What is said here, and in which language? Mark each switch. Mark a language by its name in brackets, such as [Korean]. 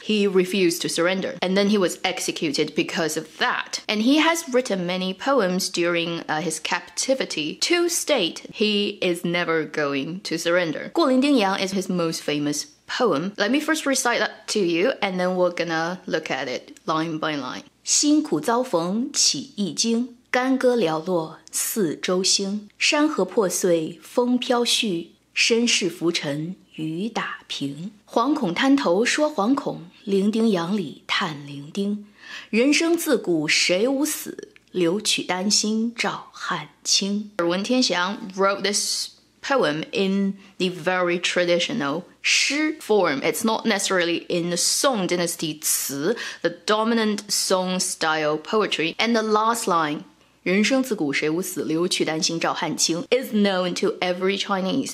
[English] He refused to surrender. And then he was executed because of that. And he has written many poems during his captivity to state he is never going to surrender. 过零丁洋 is his most famous poem. Let me first recite that to you, and then we're gonna look at it line by line. [Chinese] 辛苦遭逢起一经，干戈寥落四周星。山河破碎风飘絮，身世浮沉雨打萍。惶恐滩头说惶恐，零丁洋里叹零丁。人生自古谁无死，留取丹心照汗青。 [English] 文天祥 wrote this poem in the very traditional Shi form. It's not necessarily in the Song Dynasty Ci, the dominant Song style poetry. And the last line, [Chinese] 人生自古谁无死，留取丹心照汗青, [English] is known to every Chinese.